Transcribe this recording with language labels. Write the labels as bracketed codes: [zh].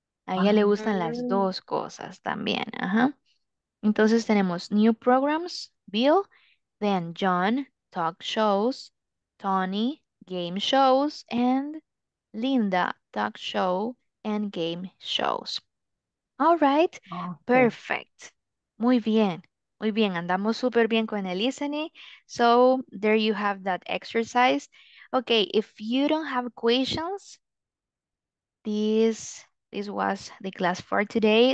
[es] A ella le gustan las dos cosas también, ajá. Entonces tenemos [en] new programs, Bill, then John, talk shows, Tony, game shows, and Linda, talk show and game shows. All right, awesome. Perfect. [es] Muy bien, andamos súper bien con el listening. [en] So there you have that exercise. Okay, if you don't have questions, this was the class for today.